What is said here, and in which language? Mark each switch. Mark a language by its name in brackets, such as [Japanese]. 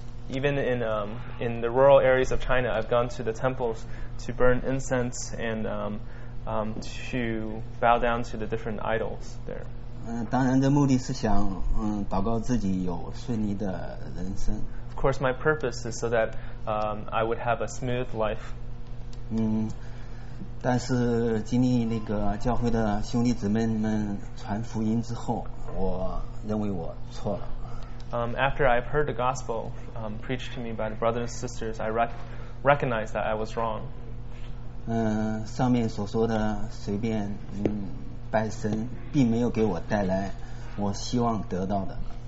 [English] Even in the rural areas of China, I've gone to the temples to burn incense and to bow down to the different idols there. [Chinese] 当然的目的是想，祷告自己有顺利的人生。 [English] Of course, my purpose is so that I would have a smooth life. [Chinese] 但是经历那个教会的兄弟姊妹们传福音之后，我认为我错了。 [English] After I've heard the gospel preached to me by the brothers and sisters, I recognize that I was wrong. [Chinese] 上面所说的随便拜神，并没有给我带来我希望得到的。